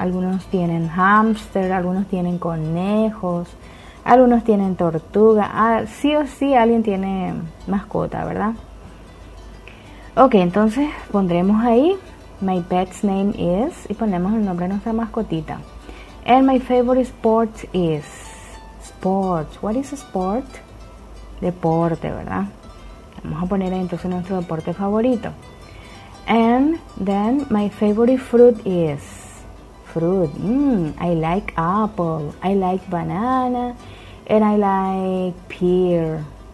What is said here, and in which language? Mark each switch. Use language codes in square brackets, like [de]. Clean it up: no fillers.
[es] Algunos tienen hámster, algunos tienen conejos, algunos tienen tortuga. Ah, sí o sí alguien tiene mascota, ¿verdad? Ok, entonces pondremos ahí, [en] my pet's name is, [es] y ponemos el nombre de nuestra mascotita. [en] And my favorite sport is, sport, what is a sport? [es] Deporte, ¿verdad? Vamos a poner ahí entonces nuestro deporte favorito. [en] And then my favorite fruit is, fruit, I like apple, I like banana, and I like pear.